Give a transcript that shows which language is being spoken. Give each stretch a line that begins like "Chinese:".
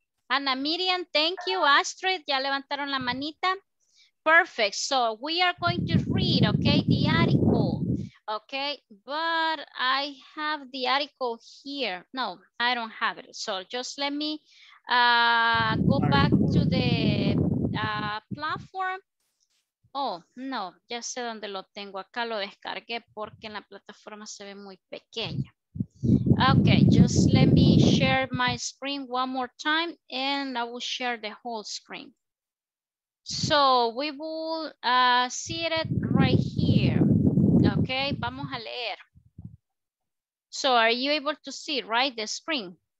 English: Ana Miriam, thank you. Astrid,
Spanish: ya levantaron la manita.
English: Perfect. So we are going to read, okay, the article. Okay, but I have the article here. No, I don't have it. So just let me go back to the platform.
Spanish: Oh, no, ya sé dónde lo tengo. Acá lo descargué porque en la plataforma se ve muy pequeña.
English: Okay, just let me share my screen one more time and I will share the whole screen. So we will see it right here. Okay,
Spanish: vamos a leer.
English: So are you able to see, right, the screen?